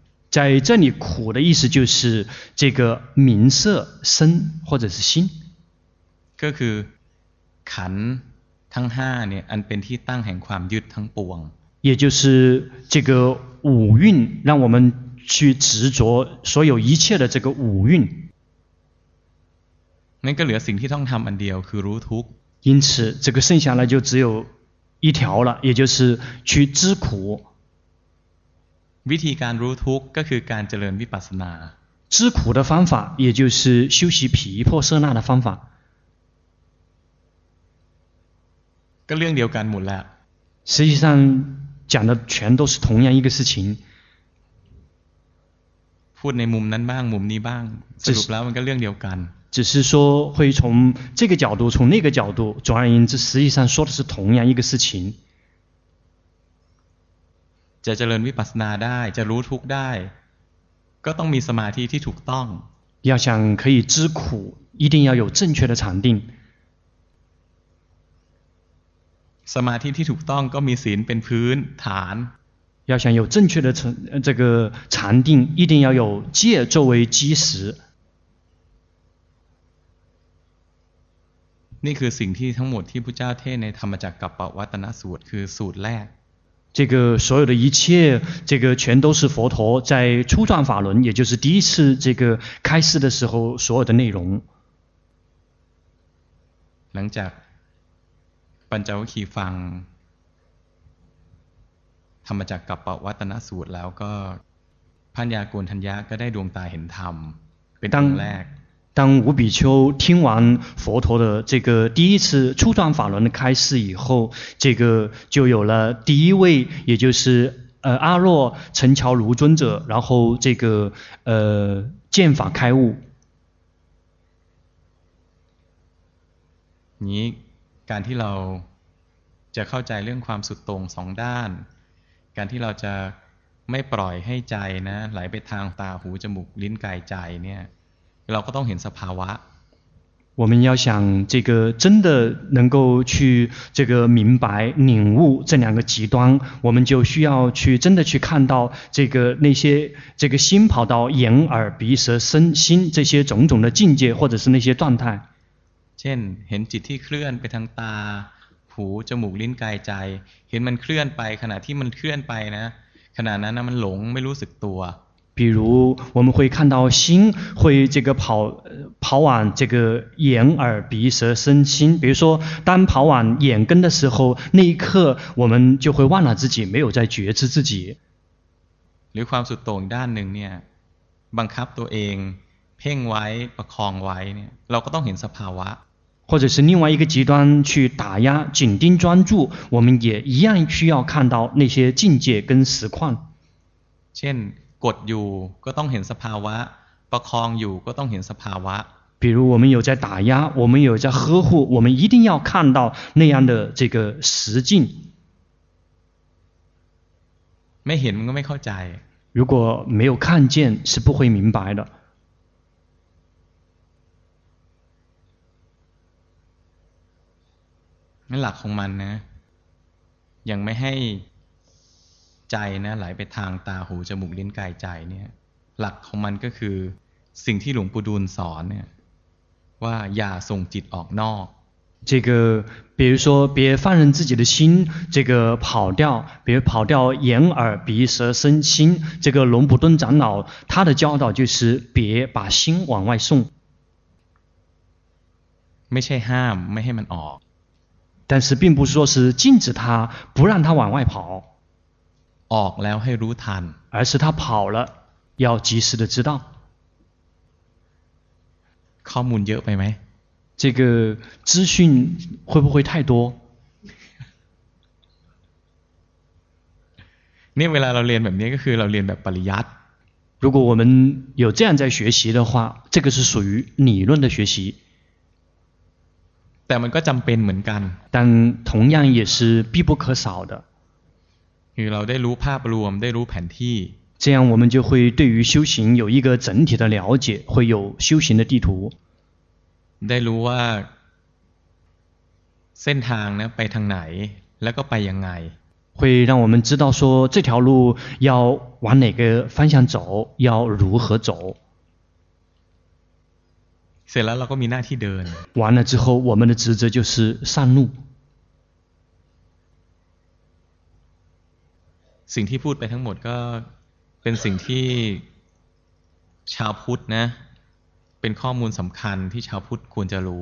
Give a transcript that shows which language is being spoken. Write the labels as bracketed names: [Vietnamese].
[Chinese] 在这里苦的意思就是这个名色身或者是心 [Thai] ก็คือขันทั้ง5เนี่ยอันเป็นที่ตั้งแห่งความยึดทั้งปวง [Chinese] 也就是这个五蕴让我们去执着所有一切的这个五蕴 [Thai] นั่นก็เหลือสิ่งที่ต้องทำอันเดียวคือรู้ทุกข์ [Chinese] 因此这个剩下来就只有一条了也就是去知苦 [Thai] วิธีการรู้ทุกข์ก็คือการเจริญวิปัสสนา [Chinese] 知苦的方法也就是修习毗婆舍那的方法 [Thai] ก็เรื่องเดียวกันหมดแล้ว [Chinese] 实际上讲的全都是同样一个事情 [Thai] พูดในมุมนั้นบ้างมุมนี้บ้างสรุปแล้วมันก็เรื่องเดียวกัน [Chinese] 只是说会从这个角度从那个角度总而言之实际上说的是同样一个事情 [Thai] จะเจริญวิปัสสนาได้จะรู้ทุกข์ได้ก็ต้องมีสมาธิที่ถูกต้อง [Chinese] 要想可以知苦一定要有正确的禅定 [Thai] สมาธิที่ถูกต้องก็มีศีลเป็นพื้นฐาน [Chinese] 要想有正确的这个禅定一定要有戒作为基石 [Thai] นี่คือสิ่งที่ทั้งหมดที่พุทธเจ้าเทศในธรรมจักรกัปปวัตตนสูตรคือสูตรแรก [Chinese] 这个所有的一切这个全都是佛陀在初转法轮也就是第一次这个开示的时候所有的内容 [Thai] หลังจากปัญจวัคคีย์ฟังธรรมจักรกัปปวัตตนสูตรแล้วก็พัญญาโกณฑัญญะก็ได้ดวงตาเห็นธรรมเป็นครั้งแรก [Chinese] 当五比丘听完佛陀的这个第一次初转法轮的开示以后，这个就有了第一位，也就是阿若成乔卢尊者，然后这个见法开悟。 [Thai] 你，การที่เราจะเข้าใจเรื่องความสุดตรงสองด้านการที่เราจะไม่ปล่อยให้ใจนะไหลไปทางตาหูจมูกลิ้นกายใจเนี่ยเราก็ต้องเห็นสภาวะ [Chinese] 我们要想这个真的能够去这个明白领悟这两个极端我们就需要去真的去看到这个那些这个心跑到眼耳鼻舌身心这些种种的境界或者是那些状态 [Thai] เช่นเห็นจิตที่เคลื่อนไปทางตาหูจมูกลิ้นกายใจเห็นมันเคลื่อนไปขณะที่มันเคลื่อนไปนะขณะนั้นมันหลงไม่รู้สึกตัว [Chinese] 比如我们会看到心会这个跑往这个眼耳鼻舌身心比如说当跑往眼根的时候那一刻我们就会忘了自己没有在觉知自己 [Thai] หรือความสุดโต่งด้านหนึ่งเนี่ยบังคับตัวเองเพ่งไว้ประคองไว้เนี่ยเราก็ต้องเห็นสภาวะ [Chinese] 或者是另外一个极端去打压紧盯专注我们也一样需要看到那些境界跟实况 [Thai] เช่นกดอยู่ก็ต้องเห็นสภาวะประคองอยู่ก็ต้องเห็นสภาวะ [Chinese] 比如我们有在打压我们有在呵护我们一定要看到那样的这个实境 [Thai] ไม่เห็นก็ไม่เข้าใจ [Chinese] 如果没有看见是不会明白的 [Thai] นั่นหลักของมันนะยังไม่ให้ใจนะไหลไปทางตาหูจมูกลิ้นกายใจเนี่ยหลักของมันก็คือสิ่งที่หลวงปู่ดูลสอนเนี่ยว่าอย่าส่งจิตออกนอก [Chinese] 这个比如说别放任自己的心这个跑掉别跑掉眼耳鼻舌身心这个龙普顿长老他的教导就是别把心往外送 [Thai] ไม่ใช่ห้ามไม่ให้มันออก [Chinese] 但是并不说是禁止他不让他往外跑 [Thai] ออกแล้วให้รู้ทัน [Chinese] 而是他跑了要及时的知道 [Thai] ข้อมูลเยอะไปไหม [Chinese] 这个资讯会不会太多 [Thai] เนี่ยเวลาเราเรียนแบบนี้ก็คือเราเรียนแบบปริยัติ [Chinese] 如果我们有这样在学习的话这个是属于理论的学习 [Thai] แต่มันก็จำเป็นเหมือนกัน [Chinese] 但同样也是必不可少的 [Thai] คือเราได้รู้ภาพรวมได้รู้แผนที่ [Chinese] 这样我们就会对于修行有一个整体的了解会有修行的地图 [Thai] ได้รู้ว่าเส้นทางนะไปทางไหนแล้วก็ไปยังไง [Chinese] 会让我们知道说这条路要往哪个方向走要如何走 [Thai] เสร็จแล้วเราก็มีหน้าที่เดิน [Chinese] 完了之后我们的职责就是上路 [Thai] สิ่งที่พูดไปทั้งหมดก็เป็นสิ่งที่ชาวพุทธนะเป็นข้อมูลสำคัญที่ชาวพุทธควรจะรู